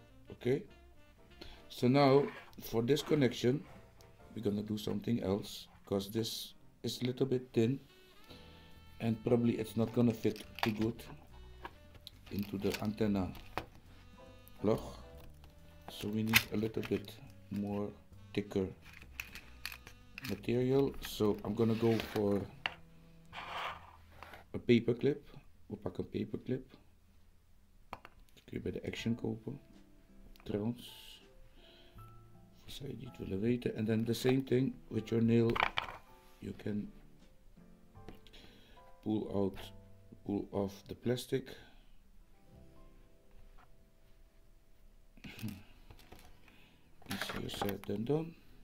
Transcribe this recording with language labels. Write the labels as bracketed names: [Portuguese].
[English] Okay. So now for this connection, we're gonna do something else because this is a little bit thin and probably it's not gonna fit too good into the antenna block. So we need a little bit more thicker material. So I'm gonna go for a paper clip. We'll pack a paper clip. [Dutch] Kun je bij de Action kopen. Trouwens. Voor zij die het willen weten. [English] And then the same thing with your nail. You can pull off the plastic. Easier said than done.